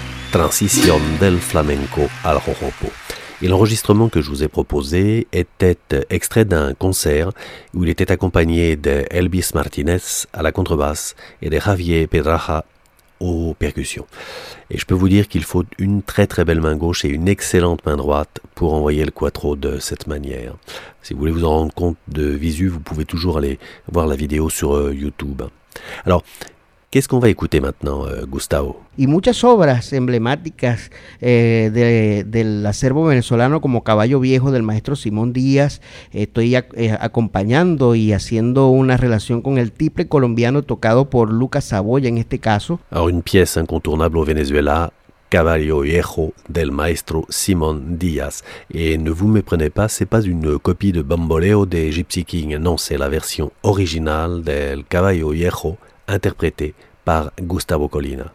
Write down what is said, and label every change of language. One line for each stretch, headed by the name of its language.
French: Transition del flamenco al joropo. Et l'enregistrement que je vous ai proposé était extrait d'un concert où il était accompagné de Elvis Martinez à la contrebasse et de Javier Pedraja aux percussions. Et je peux vous dire qu'il faut une très très belle main gauche et une excellente main droite pour envoyer le quattro de cette manière. Si vous voulez vous en rendre compte de visu, vous pouvez toujours aller voir la vidéo sur YouTube. Alors, qu'est-ce qu'on va écouter maintenant, Gustavo?
Spanish: Y muchas obras emblemáticas del acervo venezolano, como Caballo Viejo del maestro Simón Díaz. Estoy acompañando y haciendo una relación con el tiple colombiano tocado por Lucas Saboya en este caso.
French: Alors, une pièce incontournable au Venezuela, Caballo Viejo del maestro Simón Díaz. Et ne vous méprenez pas, c'est pas une copie de Bamboleo de Gypsy King. Non, c'est la version originale del Caballo Viejo, interprété par Gustavo Colina.